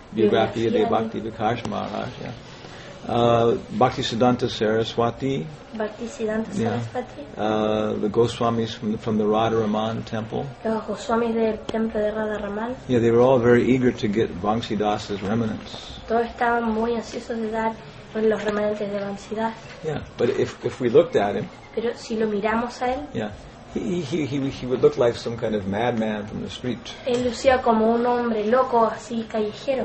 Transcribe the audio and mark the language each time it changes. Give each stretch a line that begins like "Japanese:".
Spanish: biografía de Bhakti Vikash Maharaj, yeah. Bhaktisiddhanta Saraswati. Bhaktisiddhanta Saraswati.
English: Yeah. The Goswamis from the Radharaman temple.
Spanish: Los Goswamis del templo de Radharaman.
English: Yeah, they were all very eager to get Bhaktisiddhanta's remnants.
Spanish: Todos estaban muy ansiosos de dar los remanentes de Bhaktisiddhanta.
English: Yeah, but if we looked at him.
Spanish: Pero si lo miramos a él.
English: Yeah, he would look like some kind of madman from the street.
Spanish: Él lucía como un hombre loco así callejero.